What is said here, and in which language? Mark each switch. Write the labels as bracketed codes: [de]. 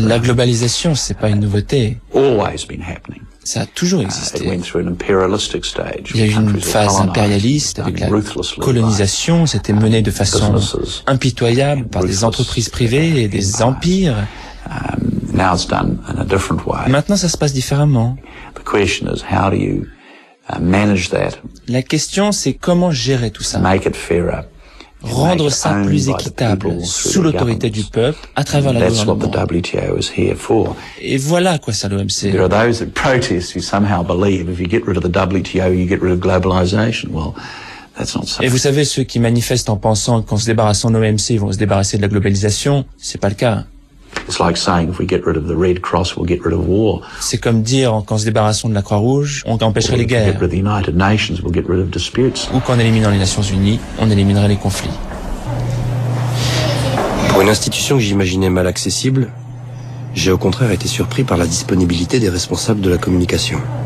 [fr] La globalisation, c'est pas une nouveauté. [en] Always been happening. [fr] Ça a toujours existé. [en] It went through an imperialistic stage. [fr] Il y a eu une phase impérialiste avec la colonisation. C'était mené de façon impitoyable par des entreprises privées et des empires. [en] Now it's done in a different way. [fr] Maintenant, ça se passe différemment. [en] The question is how do you manage that? [fr] La question, c'est comment gérer tout ça. [en] Make it fairer. [fr] Rendre ça plus équitable sous l'autorité du peuple à travers la gouvernement. Et voilà à quoi sert l'OMC. [en] There are those that protest who somehow believe if you get rid of the WTO, you get rid of globalization. Well, that's not so. [fr] Et vous savez, ceux qui manifestent en pensant qu'en se débarrassant de l'OMC, ils vont se débarrasser de la globalisation, c'est pas le cas. [en] It's like saying if we get rid of the Red Cross, we'll get rid of war. [fr] C'est comme dire qu'en se débarrassant de la Croix-Rouge, on empêcherait les guerres. [en] If we get rid of the United Nations, we'll get rid of disputes. [fr] Ou qu'en éliminant les Nations Unies, on éliminerait les conflits. Pour une institution que j'imaginais mal accessible, j'ai au contraire été surpris par la disponibilité des responsables de la communication.